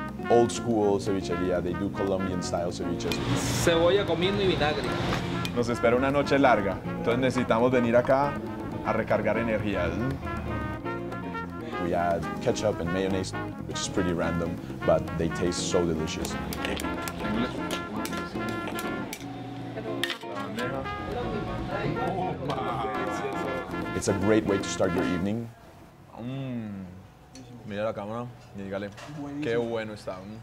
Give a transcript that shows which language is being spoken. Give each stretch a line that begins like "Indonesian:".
English: Old school cevicheria, they do Colombian style ceviches.
Spanish: Cebolla, comino y vinagre. Nos espera una noche larga, entonces necesitamos venir acá a recargar energías.
English: We add ketchup and mayonnaise, which is pretty random, but they taste so delicious. It's a great way to start your evening.
Spanish: Mira la cámara y dígale qué bueno está.